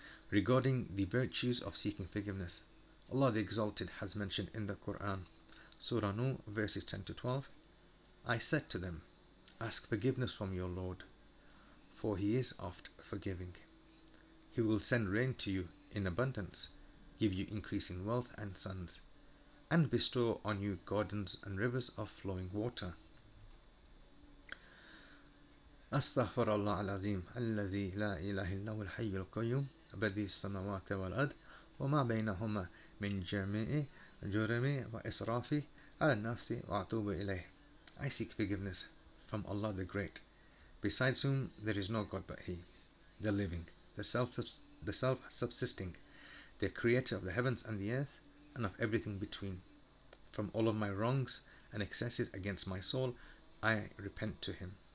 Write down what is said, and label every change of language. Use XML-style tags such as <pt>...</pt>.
<en>Regarding the virtues of seeking forgiveness, Allah the Exalted has mentioned in the Quran, Surah Nuh, verses 10 to 12, I said to them, ask forgiveness from your Lord, for he is oft forgiving. He will send rain to you in abundance, give you increasing wealth and sons, and bestow on you gardens and rivers of flowing water.</en> <ar>أستغفر الله العظيم الذي لا إله إلا هو الحي القيوم بديع السماوات والأرض وما بينهما من جميع جرمي وإسرافي على الناس وأتوب إليه.</ar> <en>I seek forgiveness from Allah the Great, besides whom there is no God but He, the Living, the self-subsisting, the Creator of the heavens and the earth, and of everything between. From all of my wrongs and excesses against my soul, I repent to Him.</en>